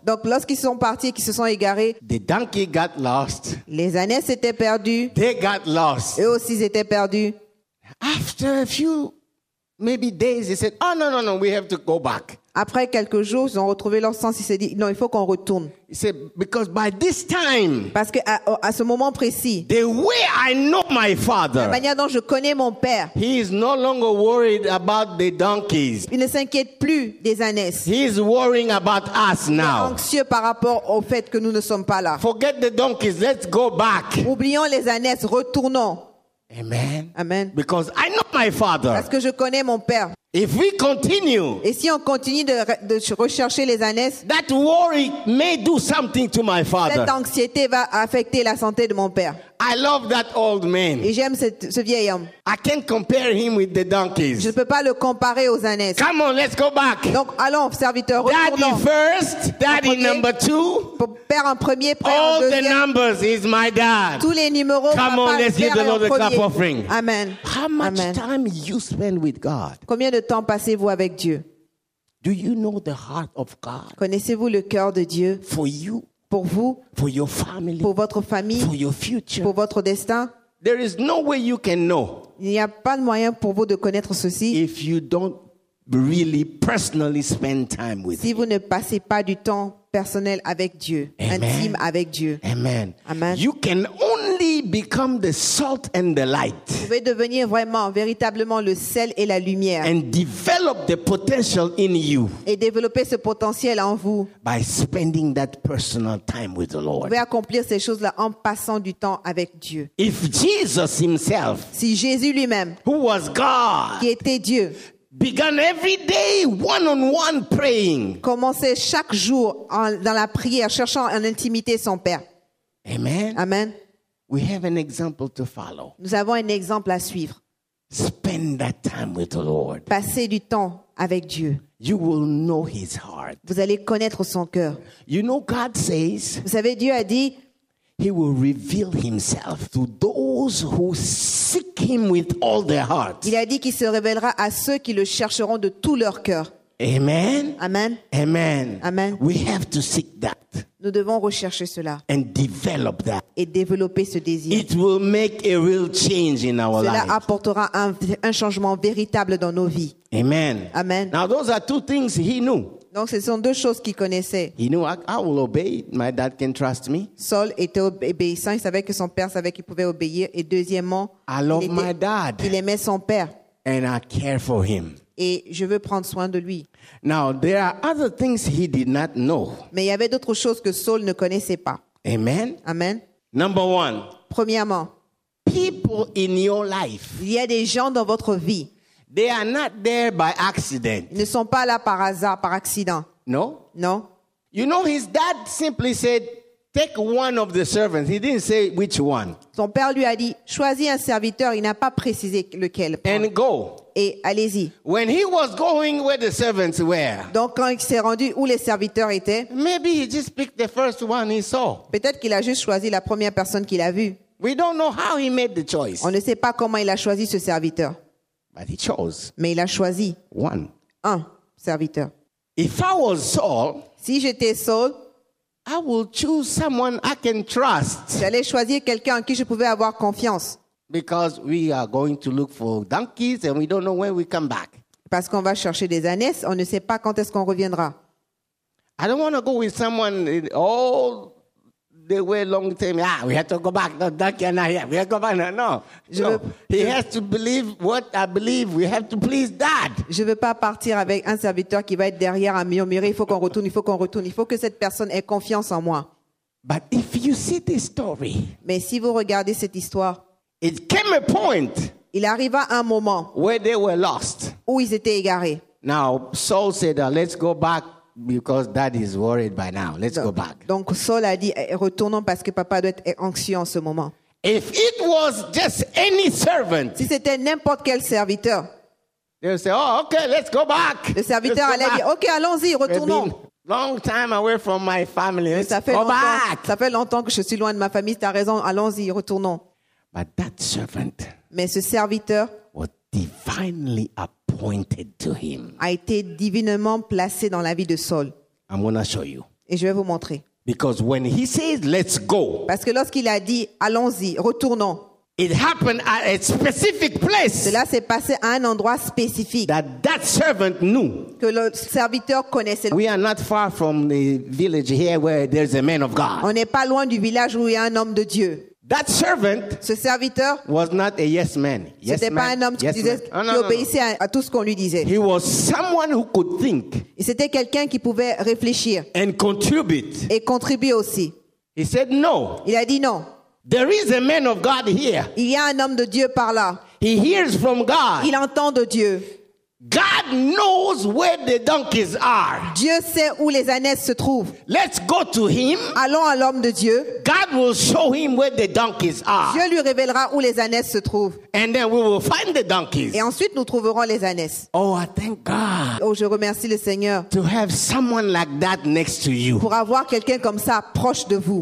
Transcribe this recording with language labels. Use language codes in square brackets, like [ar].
[fr] Donc lorsqu'ils sont partis, qu'ils se sont égarés. [en] The donkey got lost. [fr] Les ânes s'étaient perdus. [en] They got lost. [fr] Eux aussi étaient perdus. [en] After a few, maybe days, they said, oh no, no, no, we have to go back. [fr] Après quelques jours, ils ont retrouvé leur sens. Ils se disent, non, il faut qu'on retourne. [en] He said, because by this time. [fr] Parce que à ce moment précis. [en] The way I know my father. [fr] La manière dont je connais mon père. [en] He is no longer worried about the donkeys. [fr] Il ne s'inquiète plus des ânes. [en] He is worrying about us now. [fr] Il est anxieux par rapport au fait que nous ne sommes pas là. [en] Forget the donkeys, let's go back. [fr] Oublions les ânes, retournons. Amen. Amen. [en] Because I know my father. [fr] Parce que je connais mon père. [en] If we continue, [fr] et si on continue de rechercher les ânes, [en] that worry may do something to my father. [fr] Cette anxiété va affecter la santé de mon père. [en] I love that old man. [fr] Et j'aime ce vieil homme. [en] I can't compare him with the donkeys. [fr] Je ne peux pas le comparer aux ânes. [en] Come on, let's go back. [fr] Donc allons, serviteur, retournons. [en] Daddy first, daddy number two. [fr] Père en premier, père en deuxième. [en] All the numbers is my dad. [fr] Tous les numéros, papa, père en premier. [en] Come on, let's give the Lord a clap offering. Amen. How much Amen. Time you spend with God? [fr] Combien de temps passez-vous avec Dieu? [en] Do you know the heart of God? [fr] Connaissez-vous le cœur de Dieu? [en] For you. [fr] Pour vous, [en] for your family, [fr] pour votre famille, [en] for your future, [fr] pour votre destin. [en] There is no way you can know. [fr] Il n'y a pas de moyen pour vous de connaître ceci. [en] If you don't really personally spend time with [fr] Si vous ne passez pas du temps personnel avec Dieu, Amen. Intime avec Dieu. Amen. Amen. [en] You can only become the salt and the light. [fr] Vous pouvez devenir vraiment, véritablement le sel et la lumière. [en] And develop the potential in you. [fr] Et développer ce potentiel en vous. [en] By spending that personal time with the Lord. [fr] Vous pouvez accomplir ces choses-là en passant du temps avec Dieu. [en] If Jesus himself, [fr] si Jésus lui-même, [en] who was God, [fr] qui était Dieu, [en] began every day one-on-one praying. [fr] Commencez chaque jour en, dans la prière, cherchant en intimité son Père. Amen. Amen. [en] We have an example to follow. [fr] Nous avons un exemple à suivre. [en] Spend that time with the Lord. [fr] Passez du temps avec Dieu. [en] You will know His heart. [fr] Vous allez connaître son cœur. [en] You know God says. [fr] Vous savez, Dieu a dit. [en] He will reveal himself to those who seek him with all their heart. [fr] Il a dit qu'il se révélera à ceux qui le chercheront de tout leur cœur. Amen. Amen. Amen. Amen. [en] We have to seek that. [fr] Nous devons rechercher cela. [en] And develop that. [fr] Et développer ce désir. [en] It will make a real change in our [fr] cela [en] life. [fr] Cela apportera un changement véritable dans nos vies. Amen. Amen. [en] Now those are two things he knew. [fr] Donc, ce sont deux choses qu'il connaissait. [en] He knew I will obey. My dad can trust me. [fr] Saul était obéissant. Il savait que son père savait qu'il pouvait obéir. Et deuxièmement, [en] I love my dad. [fr] Il aimait son père. [en] And I care for him. [fr] Et je veux prendre soin de lui. [en] Now, there are other things he did not know. [fr] Mais il y avait d'autres choses que Saul ne connaissait pas. Amen. Amen. [en] Number one. [fr] Premièrement, [en] people in your life. [fr] Il y a des gens dans votre vie. [en] They are not there by accident. [fr] Ils ne sont pas là par hasard, par accident. [en] No. No. You know, his dad simply said, "Take one of the servants." He didn't say which one. [fr] Son père lui a dit, choisis un serviteur. Il n'a pas précisé lequel. [en] And go. [fr] Et allez-y. [en] When he was going where the servants were. [fr] Donc quand il s'est rendu où les serviteurs étaient. [en] Maybe he just picked the first one he saw. [fr] Peut-être qu'il a juste choisi la première personne qu'il a vue. [en] We don't know how he made the choice. [fr] On ne sait pas comment il a choisi ce serviteur. [en] But he chose. [fr] Mais il a choisi [en] one. [fr] Un serviteur. [en] If I was Saul, [fr] si j'étais Saul, [en] I will choose someone I can trust. [fr] J'allais choisir quelqu'un en qui je pouvais avoir confiance. [en] Because we are going to look for donkeys and we don't know when we come back. [fr] Parce qu'on va chercher des ânes, on ne sait pas quand est-ce qu'on reviendra. [en] I don't want to go with someone all the way long term. Ah, we have to go back. No, donkey are not here. We have to go back. No, no. He has to believe what I believe. We have to please dad. [fr] Je ne veux pas partir avec un serviteur qui va être derrière à murmurer. Il faut qu'on retourne. Il faut qu'on retourne. Il faut que cette personne ait confiance en moi. [en] But if you see this story, [fr] mais si vous regardez cette histoire, [en] it came a point. [fr] Il arriva un moment [en] where they were lost. [fr] Où ils étaient égarés. [en] Now Saul said, "Let's go back." Because dad is worried by now. Let's go back. [fr] Donc Saul a dit, retournons parce que papa doit être anxieux en ce moment. [en] If it was just any servant, [fr] si c'était n'importe quel serviteur, [en] they would say, oh, okay, let's go back. [fr] Le serviteur allait dire, ok, allons-y, retournons. [en] Long time away from my family. Let's go back. [fr] Ça fait longtemps que je suis loin de ma famille. T'as raison. Allons-y, retournons. [en] But that servant, [fr] mais ce serviteur, [en] was divinely appointed. Pointed to him. [fr] A été divinement placé dans la vie de Saul. [en] I'm gonna show you. [fr] Et je vais vous montrer. [en] Because when he says, "Let's go," [fr] parce que lorsqu'il a dit, allons-y, retournons. [en] It happened at a specific place. [fr] Cela s'est passé à un endroit spécifique. [en] That servant knew. [fr] Que le serviteur connaissait. [en] We are not far from the village here where there's a man of God. [fr] On n'est pas loin du village où il y a un homme de Dieu. [en] That servant, [fr] ce serviteur, [en] was not a yes man. Yes, [fr] c'était pas [en] man, [fr] un homme qui, [en] yes [fr] disait, qui obéissait à tout ce qu'on lui disait. [en] He was someone who could think. [fr] Et c'était quelqu'un qui pouvait réfléchir. [en] And contribute. [fr] Et contribuer aussi. [en] He said no. [fr] Il a dit non. [en] There is a man of God here. [fr] Il y a un homme de Dieu par là. [en] He hears from God. [fr] Il entend de Dieu. [en] God knows where the donkeys are. [fr] Dieu sait où les ânes se trouvent. [en] Let's go to him. [fr] Allons à l'homme de Dieu. [en] God will show him where the donkeys are. [fr] Dieu lui révélera où les ânes se trouvent. [en] And then we will find the donkeys. [fr] Et ensuite nous trouverons les ânes. [en] Oh, I thank God. [fr] Oh, je remercie le Seigneur. [en] To have someone like that next to you. [fr] Pour avoir quelqu'un comme ça proche de vous.